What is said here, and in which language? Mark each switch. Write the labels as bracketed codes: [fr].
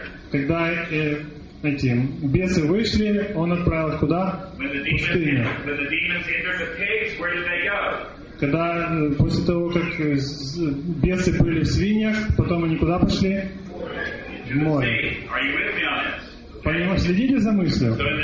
[ru] Когда эти бесы вышли, он отправил их куда? Пустыню. [en] When the demons entered the pigs, where did they go? [ru] Когда после того, как бесы были в свиньях, потом они куда пошли? В море. Понимаете, следите за мыслью.